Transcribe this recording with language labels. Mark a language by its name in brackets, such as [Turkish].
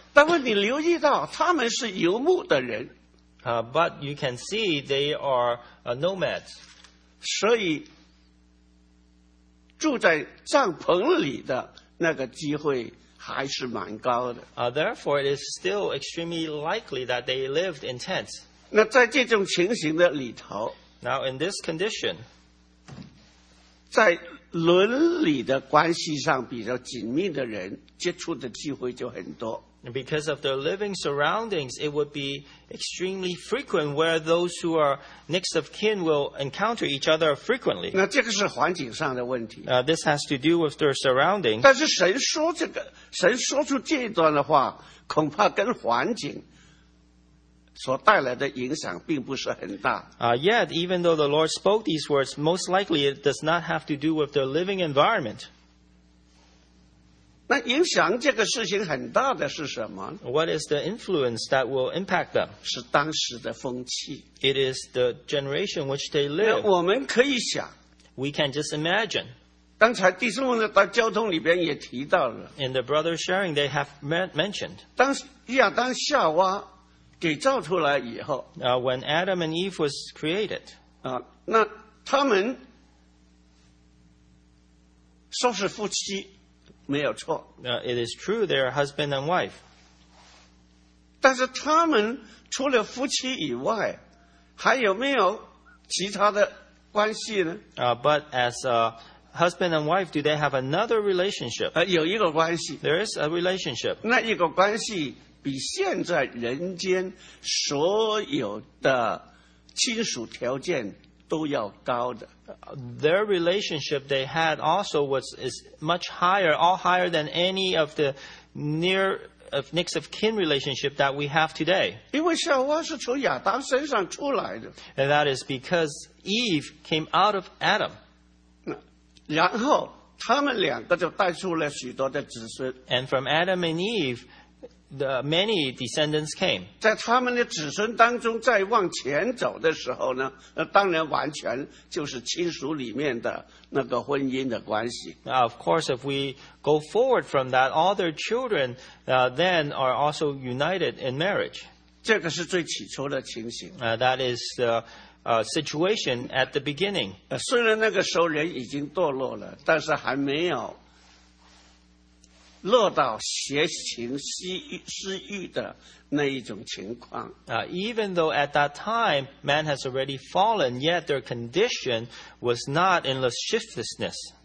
[Chinese] 但是你留意到，他们是游牧的人。 [English] But you can see they are nomads. [Chinese] 所以住在帐篷里的那个机会还是蛮高的。 [English] Therefore, it is still extremely likely that they lived in tents. [Chinese] 那在这种情形的里头 [English] Now, in this condition, [Chinese] 在伦理的关系上比较紧密的人接触的机会就很多。 [English] Because of their living surroundings, it would be extremely frequent where those who are next of kin will encounter each other frequently. [Chinese] 那这个是环境上的问题。 [English] This has to do with their surroundings. [Chinese] 但是神说这个，神说出这一段的话，恐怕跟环境所带来的影响并不是很大。 [English] Yet, even though the Lord spoke these words, most likely it does not have to do with their living environment. [Chinese] 那影响这个事情很大的是什么 [English] ？What is the influence that will impact them？ [Chinese] 是当时的风气。 [English] It is the generation which they live. [Chinese] 我们可以想。 [English] We can just imagine. [Chinese] 刚才弟兄们在交通里边也提到了。 [English] In the brother sharing, they have mentioned. [Chinese] 当亚当夏娃给造出来以后。 [English] When Adam and Eve was created. [Chinese] 那他们说是夫妻。没有错。 [English] It is true, they are husband and wife. [Chinese] 但是他们除了夫妻以外，还有没有其他的关系呢？ [English] But as a husband and wife, do they have another relationship? [Chinese] 有一个关系。 [English] There is a relationship. [Chinese] 那一个关系比现在人间所有的亲属条件都要高的。 [English] Their relationship they had also was is much higher, all higher than any of the near of next of kin relationship that we have today. [Chinese] 因为夏娃是从亚当身上出来的。 [English] And that is because Eve came out of Adam. [Chinese] 然后他们两个就带出了许多的子孙。 [English] And from Adam and Eve, the many descendants came. [Chinese] 在他们的子孙当中再往前走的时候呢，当然完全就是亲属里面的那个婚姻的关系。 [English] Now, of course, if we go forward from that, all their children, then are also united in marriage. [Chinese] 这个是最起初的情形。 [English] That is the situation at the beginning. [Chinese] 虽然那个时候人已经堕落了，但是还没有落到邪情私欲的那一种情况。 [English] Even though at that time man has already fallen, yet their condition was not in lasciviousness.